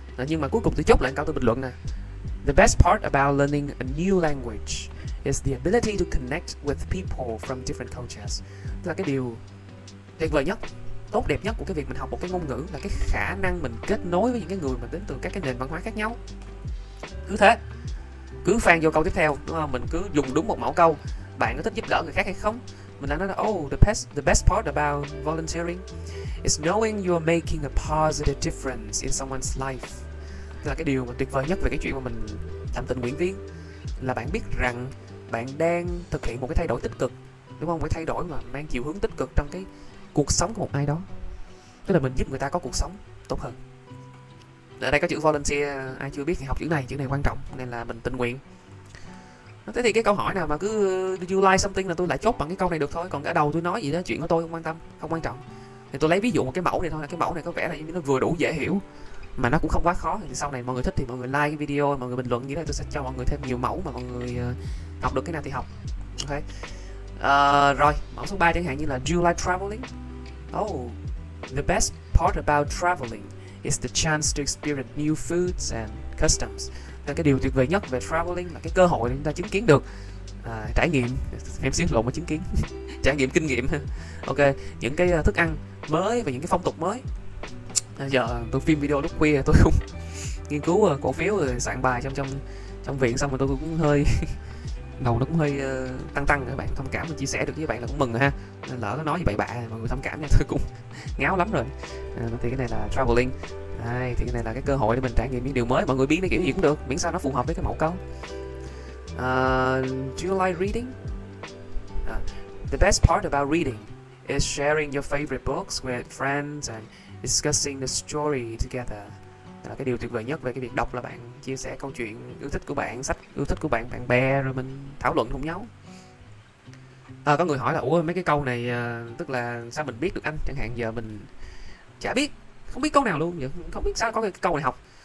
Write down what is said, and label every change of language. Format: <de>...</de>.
<vi>Rồi, nhưng mà cuối cùng tôi chốt lại câu tôi bình luận nè:</vi> <en>the best part about learning a new language is the ability to connect with people from different cultures.</en> <vi>Tức là cái điều tuyệt vời nhất, tốt đẹp nhất của cái việc mình học một cái ngôn ngữ là cái khả năng mình kết nối với những cái người mà đến từ các cái nền văn hóa khác nhau. Cứ thế, cứ phan vô câu tiếp theo, đúng không? Mình cứ dùng đúng một mẫu câu. Bạn có thích giúp đỡ người khác hay không? Mình đã nói là</vi> <en>the best part about volunteering is knowing you're making a positive difference in someone's life.</en> <vi>Tức là cái điều mà tuyệt vời nhất về cái chuyện mà mình làm tình nguyện viên là bạn biết rằng bạn đang thực hiện một cái thay đổi tích cực, đúng không? Một cái thay đổi mà mang chiều hướng tích cực trong cái cuộc sống của một ai đó. Tức là mình giúp người ta có cuộc sống tốt hơn. Ở đây có chữ volunteer, ai chưa biết thì học chữ này quan trọng, nên là mình tình nguyện. Thế thì cái câu hỏi nào mà cứ</vi> <en>do you like something</en> <vi>là tôi lại chốt bằng cái câu này được thôi. Còn cái đầu tôi nói gì đó, chuyện của tôi không quan tâm, không quan trọng. Thì tôi lấy ví dụ một cái mẫu này thôi, là cái mẫu này có vẻ là nó vừa đủ dễ hiểu mà nó cũng không quá khó. Thì sau này mọi người thích thì mọi người like cái video, mọi người bình luận như thế, tôi sẽ cho mọi người thêm nhiều mẫu mà mọi người học được cái nào thì học. Ok. Rồi, mẫu số 3 chẳng hạn như là</vi> <en>do you like traveling? Oh, the best part about traveling is the chance to experience new foods and customs.</en> <vi>Là cái điều tuyệt vời nhất về traveling là cái cơ hội để chúng ta chứng kiến được trải nghiệm, em xin lỗi mà chứng kiến trải nghiệm kinh nghiệm, ok, những cái thức ăn mới và những cái phong tục mới. Giờ tôi phim video lúc khuya, tôi cũng nghiên cứu cổ phiếu rồi soạn bài trong viện xong rồi tôi cũng hơi đầu nó cũng hơi tăng, các bạn thông cảm, mình chia sẻ được với bạn là cũng mừng ha, nên lỡ nó nói gì bậy bạ mọi người thông cảm nha, tôi cũng ngáo lắm rồi. Thì cái này là traveling. Đây, thì cái này là cái cơ hội để mình trải nghiệm những điều mới. Mọi người biến nó kiểu gì cũng được, miễn sao nó phù hợp với cái mẫu câu.</vi> <en>Do you like reading? The best part about reading is sharing your favorite books with friends and discussing the story together.</en> <vi>Đó là cái điều tuyệt vời nhất về cái việc đọc, là bạn chia sẻ câu chuyện yêu thích của bạn, sách yêu thích của bạn, bạn bè, rồi mình thảo luận cùng nhau. Có người hỏi là ủa mấy cái câu này tức là sao mình biết được anh? Chẳng hạn giờ mình chả biết, không biết câu nào luôn vậy, không biết sao có cái câu này học.</vi>